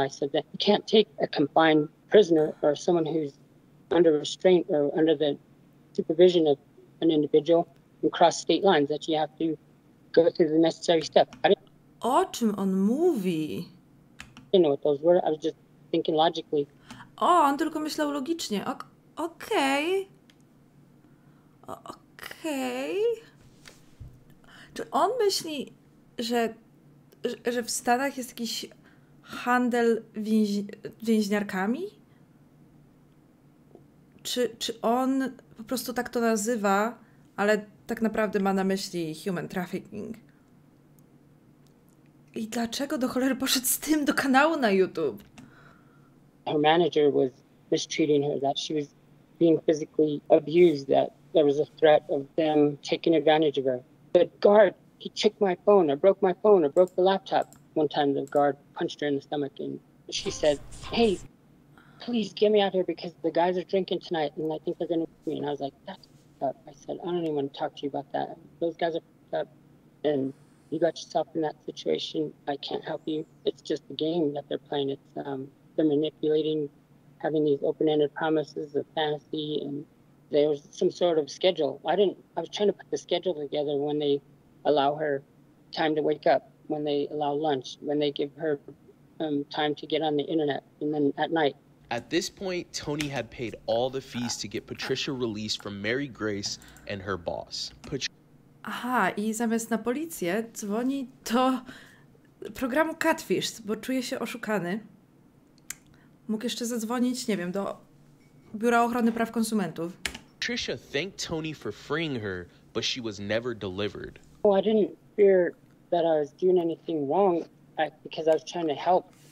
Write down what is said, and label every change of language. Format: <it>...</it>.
<en>I said that you can't take a confined prisoner or someone who's under restraint or under the supervision of an individual and cross state lines, that you have to go through the necessary steps. Autumn on movie. I didn't know what those were. I was just thinking logically.</en> <pl>Oh, on tylko myślał logicznie. Okej. Okej. Czy on myśli, że w Stanach jest jakiś handel więźniarkami? Czy on po prostu tak to nazywa, ale tak naprawdę ma na myśli</pl> <en>human trafficking?</en> <pl>I dlaczego do cholery poszedł z tym do kanału na YouTube?</pl> <en>Her manager was mistreating her, that she was being physically abused, that there was a threat of them taking advantage of her. The guard, he checked my phone, or broke my phone, or broke the laptop. One time the guard punched her in the stomach and she said, hey, please get me out here because the guys are drinking tonight and I think they're going to beat me. And I was like, that's fucked up. I said, I don't even want to talk to you about that. Those guys are fucked up and you got yourself in that situation. I can't help you. It's just the game that they're playing. It's they're manipulating, having these open-ended promises of fantasy, and there's some sort of schedule. I was trying to put the schedule together when they allow her time to wake up, when they allow lunch, when they give her time to get on the internet, and then at night. At this point, Tony had paid all the fees to get Patricia released from Mary Grace and her boss.</en> <pl>Aha, i zamiast na policję dzwoni do programu Catfish, bo czuje się oszukany. Mógł jeszcze zadzwonić, nie wiem, do Biura Ochrony Praw Konsumentów.</pl> <en>Patricia thanked Tony for freeing her, but she was never delivered. Oh, I didn't fear that I was doing anything wrong because I was trying to help.</en>